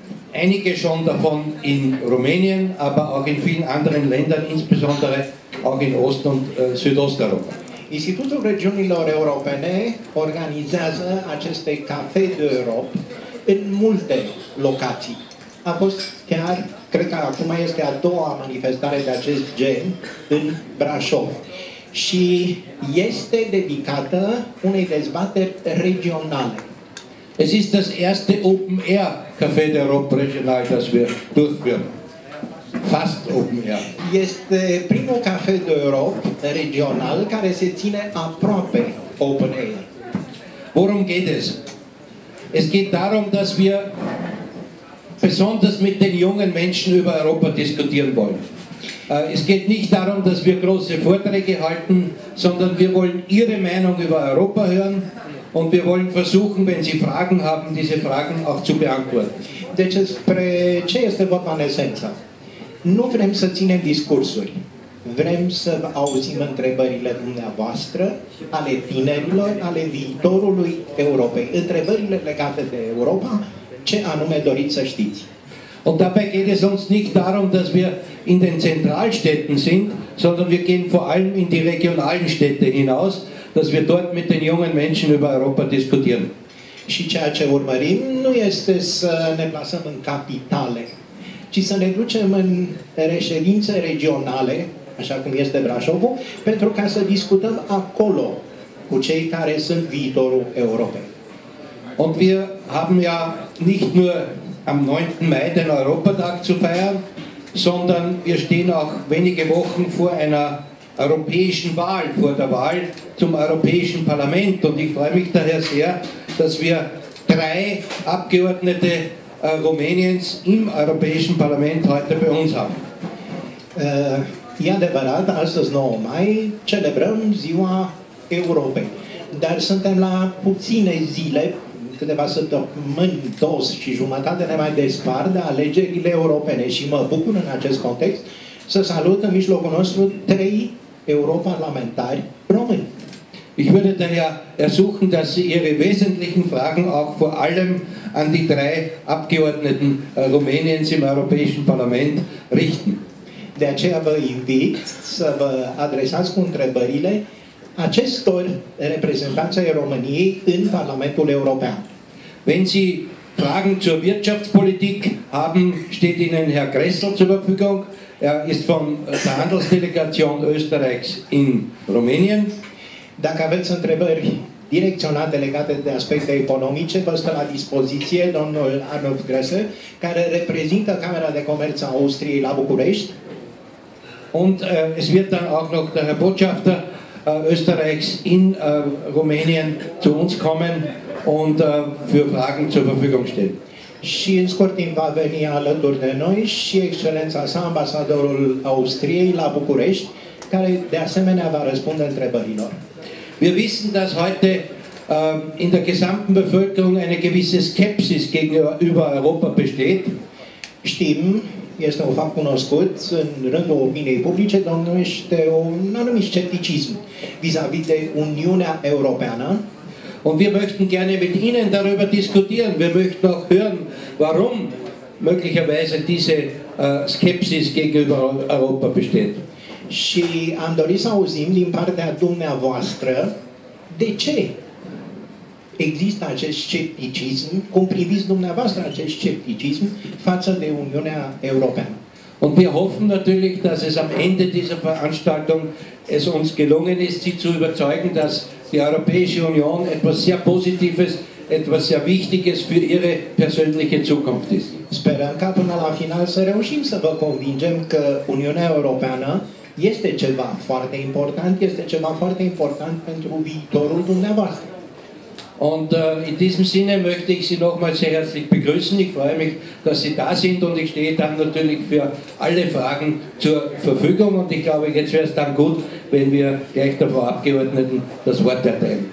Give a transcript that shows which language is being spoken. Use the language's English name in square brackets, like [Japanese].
[German] Einige schon davon in Rumänien, aber auch in vielen anderen Ländern, insbesondere auch in Ost- und Südosteuropa. [Romanian] Institutul Regiunilor Europene organizează aceste Café d'Europe în multe locații. A fost chiar, cred că acum este a doua manifestare de acest gen în Brașov. Și este dedicată unei dezbateri regionale. [German] Es ist das erste Open-Air Café d'Europe regional, das wir durchführen. Fast Open-Air. [Romanian] Este primul Café d'Europe regional care se ține aproape Open-Air. [German] Worum geht es? Es geht darum, dass wir besonders mit den jungen Menschen über Europa diskutieren wollen. Es geht nicht darum, dass wir große Vorträge halten, sondern wir wollen ihre Meinung über Europa hören. Und wir wollen versuchen, wenn Sie Fragen haben, diese Fragen auch zu beantworten. [Romanian] Deci, spre ce este vorba în esență? Nu vrem să ținem discursuri. Vrem să auzim întrebările dumneavoastră, ale tinerilor, ale viitorului Europei. Întrebările legate de Europa, ce anume doriți să știți? [German] Und dabei geht es uns nicht darum, dass wir in den Zentralstädten sind, sondern wir gehen vor allem in die regionalen Städte hinaus, dass wir dort mit den jungen Menschen über Europa diskutieren. [Romanian] Și ceea ce urmărim nu este să ne plasăm în capitale, ci să ne ducem în reședințe regionale, așa cum este Brașovul, pentru ca să discutăm acolo cu cei care sunt viitorul Europei. [German] Und wir haben ja nicht nur am 9. Mai den Europatag zu feiern, sondern wir stehen auch wenige Wochen vor einer europäischen Wahl, vor der Wahl zum Europäischen Parlament. Und ich freue mich daher sehr, dass wir drei Abgeordnete Rumäniens im Europäischen Parlament heute bei uns haben. [Romanian] E adevărat, astăzi 9 mai, celebrăm Ziua Europei. Dar suntem la puține zile, câteva săptămâni, două și jumătate ne mai despar de alegerile europene. Și mă bucur în acest context să salut în mijlocul nostru trei europarlamentari români. [German] Ich würde daher ersuchen, dass Sie Ihre wesentlichen Fragen auch vor allem an die drei Abgeordneten Rumäniens im Europäischen Parlament richten. [Romanian] De aceea vă invit să vă adresați cu întrebările acestor reprezentanței României în Parlamentul European. [German] Wenn Sie Fragen zur Wirtschaftspolitik haben, steht Ihnen Herr Gressel zur Verfügung. Er ist von der Handelsdelegation Österreichs in Rumänien. [Romanian] Dacă aveți întrebări direcționate legate de aspecte economice, vă stă la dispoziție domnul Arnold Gressel, care reprezintă Camera de Comerț a Austriei la București. [German] Und es wird dann auch noch der Herr Botschafter Österreichs in Rumänien zu uns kommen und für Fragen zur Verfügung stehen. [Romanian] Și în scurt timp va veni alături de noi și excelența sa, ambasadorul Austriei la București, care de asemenea va răspunde întrebărilor. [German] Wir wissen, dass heute in der gesamten Bevölkerung eine gewisse Skepsis gegenüber Europa besteht. [Romanian] Știm, este un fapt cunoscut în rândul opiniei publice, dar este un anumit scepticism vis-a-vis de Uniunea Europeană. [German] Und wir möchten gerne mit Ihnen darüber diskutieren. Wir möchten auch hören, warum möglicherweise diese Skepsis gegenüber Europa besteht. [Romanian] Și am dorit să auzim din partea dumneavoastră de ce există acest scepticism, cum priviți dumneavoastră acest scepticism față de Uniunea Europeană. [German] Und wir hoffen natürlich, dass es am Ende dieser Veranstaltung es uns gelungen ist, Sie zu überzeugen, dass die Europäische Union etwas sehr Positives, etwas sehr Wichtiges für Ihre persönliche Zukunft ist. [Romanian] Sperăm ca până la final să reușim să vă convingem că Uniunea Europeană este ceva foarte important, este ceva foarte important pentru viitorul dumneavoastră. [German] Und in diesem Sinne möchte ich Sie nochmals sehr herzlich begrüßen. Ich freue mich, dass Sie da sind und ich stehe dann natürlich für alle Fragen zur Verfügung. Und ich glaube, jetzt wäre es dann gut, wenn wir gleich der Frau Abgeordneten das Wort erteilen.